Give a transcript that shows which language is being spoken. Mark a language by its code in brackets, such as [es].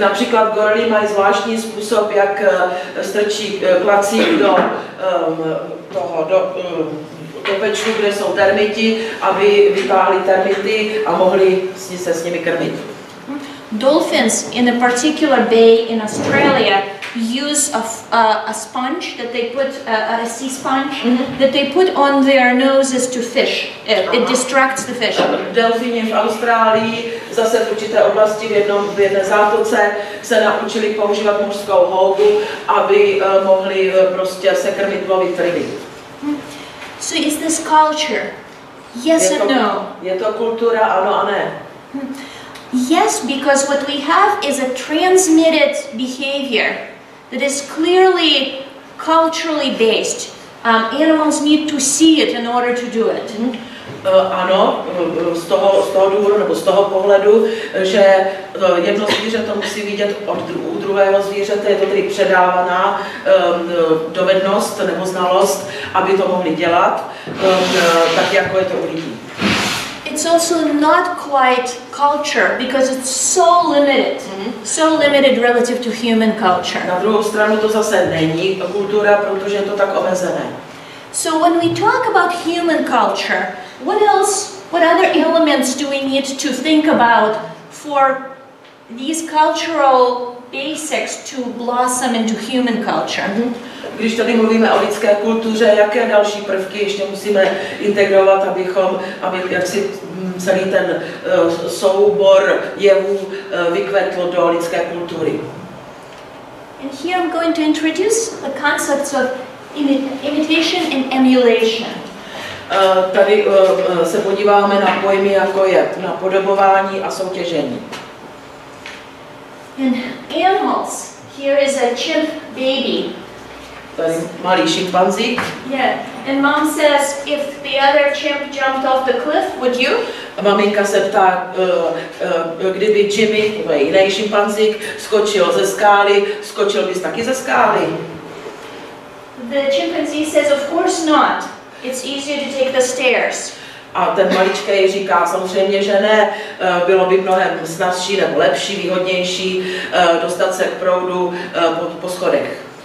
[cs] Například gorily mají zvláštní způsob, jak strčí klacík do toho do pečku, kde jsou termiti, aby vypáhli termity a mohli se s nimi krmit. [en] Dolphins in a particular bay in Australia use a sponge that they put a sea sponge that they put on their noses to fish. It distracts the fish. [cs] Delfíni v Austrálii zase v určité oblasti v jedné zátoce se naučili používat mořskou houbu, aby mohli prostě se krmit lovit ryby. [en] So is this culture? Yes and no. [cs] Je to kultura, ano a ne. [en] Yes, because what we have is a transmitted behavior that is clearly culturally based. Animals need to see it in order to do it. [cs] Ano, z toho důvodu nebo z toho pohledu, že jedno zvíře to musí vidět u druhého zvířete, je to tedy předávaná dovednost nebo znalost, aby to mohli dělat, tak jako je to u lidí. [en] It's also not quite culture because it's so limited, so limited relative to human culture. [cs] Na druhou stranu to zase není kultura, protože je to tak omezené. [en] So when we talk about human culture, what other elements do we need to think about for these cultural basics to blossom into human culture? [cs] Když tady mluvíme o lidské kultuře, jaké další prvky ještě musíme integrovat, aby jaksi celý ten soubor jevů vykvetl do lidské kultury? [en] And here I'm going to introduce the concepts of imitation and emulation. [cs] Tady se podíváme na pojmy, jako je napodobování a soutěžení. [en] And animals, here is a chimp baby. [cs] Tady malý šimpanzík. Yeah. [en] And mom says, if the other chimp jumped off the cliff, would you? [cs] A maminka se ptá, kdyby Jimmy, jiný šimpanzík, skočil ze skály, skočil bys taky ze skály? [en] The chimpanzee says, of course not. It's easier to take the stairs. [cs] A ten maličkej říká, samozřejmě, že ne, bylo by mnohem snazší nebo lepší, výhodnější dostat se k proudu po schodech.